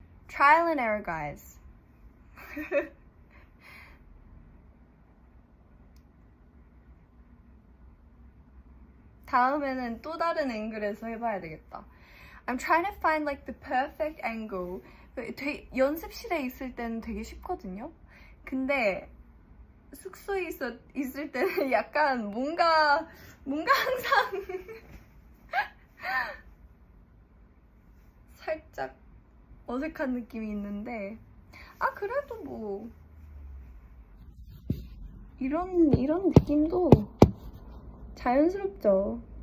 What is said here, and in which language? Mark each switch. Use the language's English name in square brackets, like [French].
[English] Trial and error, guys. [Korean] 다음에는 또 다른 앵글에서 해봐야 되겠다. [English] I'm trying to find like the perfect angle. [Korean] 연습실에 있을 때는 되게 쉽거든요. 근데 숙소에 있을 때는 약간 뭔가 항상 살짝 어색한 느낌이 있는데, 아, 그래도 뭐 이런 느낌도 자연스럽죠.